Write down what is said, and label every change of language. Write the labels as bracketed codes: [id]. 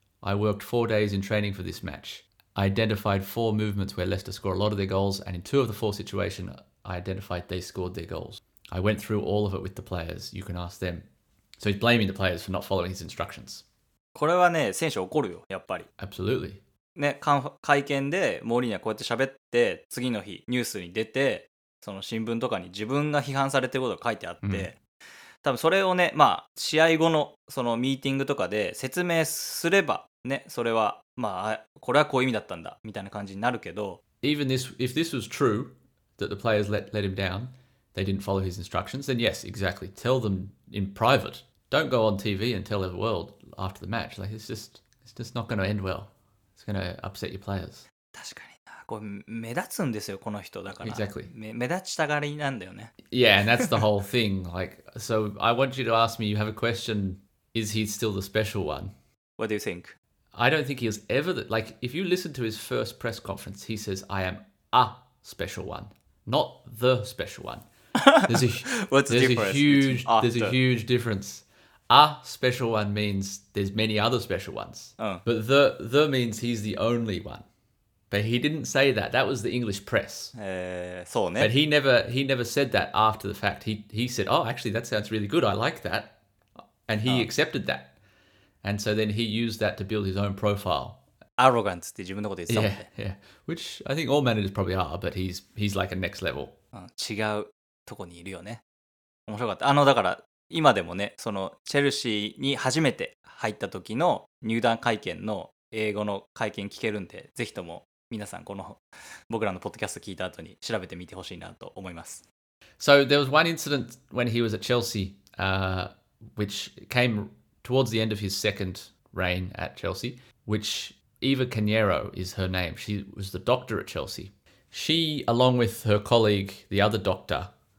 [en] I worked 4 days in training for this match. I identified 4 movements where Leicester scored a lot of their goals, and in 2 of the 4 situations, I identified they scored their goals. I went through all of it with the players. You can ask them. So he's blaming the players for not following his instructions. [ja] これはね、選手怒るよ、やっぱり。 [en] Absolutely. [ja] ね、会見でモーリーニャこうやって喋って、次の日ニュースに出て、その新聞とかに自分が批判されてることが書いてあって、多分それをね、まあ試合後のそのミーティングとかで説明すれば、ね、それはまあこれはこういう意味だったんだみたいな感じになるけど。 [en] Even this, if this was true, that the players let him down. They didn't follow his instructions, then yes, exactly. Tell them in private. Don't go on TV and tell the world after the match. Like, it's just not going to end well. It's going to upset your players. [ja] 確かにな。これ目立つんですよ、この人だから。 [en] Exactly. [ja] 目立ちたがりなんだよね。 [en] Yeah, and that's the whole thing. Like, so I want you to ask me, you have a question, is he still the special one? What do you think? I don't think he was ever, if you listen to his first press conference, he says, I am a special one. Not the special one. There's a huge difference. A special one means there's many other special ones. But the means he's the only one. But he didn't say that. That was the English press. [ja] そうね。 [en] But he never said that after the fact. He said, oh, actually, that sounds really good. I like that. And he accepted that. And so then he used that to build his own profile. [ja] Arrogant って自分のこと言ってたもんね。 [en] Yeah, yeah. Which I think all managers probably are, but he's like a next level. [ja] 違うとこにいるよね。面白かった。だから今でもね、そのチェルシーに初めて入った時の入団会見の英語の会見聞けるんで、ぜひとも皆さんこの僕らのポッドキャスト聞いた後に調べてみてほしいなと思います。 [en] So there was one incident when he was at Chelsea, which came towards the end of his second reign at Chelsea, which... Eva Caniero is her name. She was the doctor at Chelsea. She, along with her colleague, the other doctor,